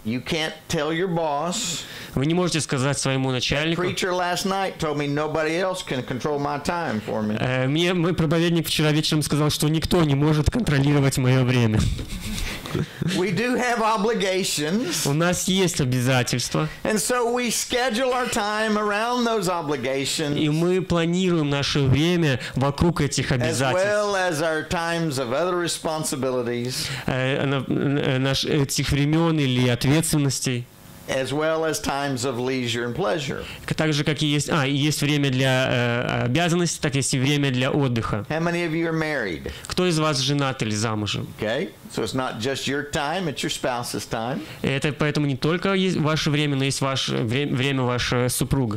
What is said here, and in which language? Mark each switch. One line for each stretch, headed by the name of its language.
English: you can't tell your boss,
Russian: вы не можете сказать своему начальнику. Мой проповедник вчера вечером сказал, что никто не может контролировать мое время.
English: We do have obligations.
Russian: У нас есть обязательства.
English: And so we schedule our time around those obligations.
Russian: И мы планируем наше время вокруг этих обязательств.
English: As well as our times of other responsibilities.
Russian: Этих времен или ответственностей.
English: As well as times of leisure and pleasure.
Russian: Так же, как и есть, есть время для обязанностей, так есть и время для отдыха.
English: How many of you are married?
Russian: Кто из вас женат или замужем?
English: Okay. So it's not just your time, it's your spouse's time.
Russian: Это поэтому не только есть ваше время, но есть ваше время вашей супруги.